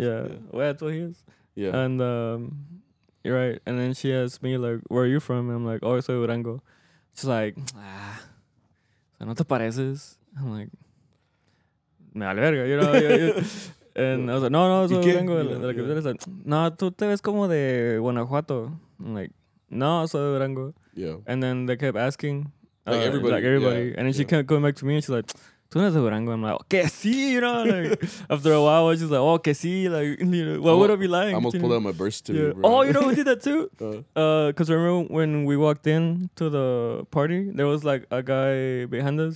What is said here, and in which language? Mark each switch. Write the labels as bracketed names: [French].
[English] Yeah. Well, that's what he is. Yeah. And you're right. And then she asked me, like, where are you from? And I'm like, oh, [Spanish] soy Durango. [English] She's like, [Spanish] no te pareces. [English] I'm like, [Spanish] me alberga, [English] you know? And I was like, [Spanish] no, soy Durango. No, tú te ves como de Guanajuato. [English] I'm like, [Spanish] no, soy Durango. [English] Yeah. And then they kept asking. Like everybody. Like everybody. Yeah. And then she kept coming back to me and she's like, I'm like, okay, see, you know, like, after a while, I was just like, okay, see, like, you know, what would I be lying? I almost pulled out my birth certificate. Yeah. Oh, you know, we did that too. Because remember when we walked in to the party, there was like a guy behind us.